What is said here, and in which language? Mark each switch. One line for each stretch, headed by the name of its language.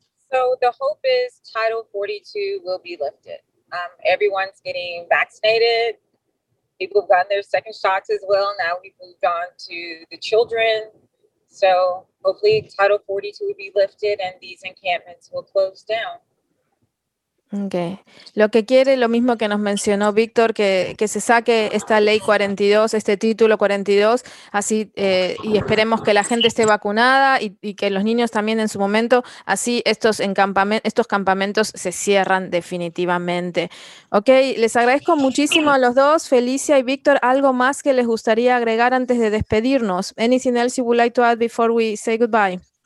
English: So, the hope is Title 42 will be lifted. Everyone's getting vaccinated. People have gotten their second shots as well. Now we've moved on to the children. So hopefully Title 42 will be lifted and these encampments will close down. Okay.
Spanish: Lo que quiere, lo mismo que nos mencionó Víctor, que se saque esta ley 42, este título 42, así y esperemos que la gente esté vacunada y que los niños también en su momento, así estos campamentos se cierran definitivamente. Okay, les agradezco muchísimo a los dos, Felicia y Víctor. ¿Algo más que les gustaría agregar antes de despedirnos?
English: Anything else you would like to add before we say goodbye?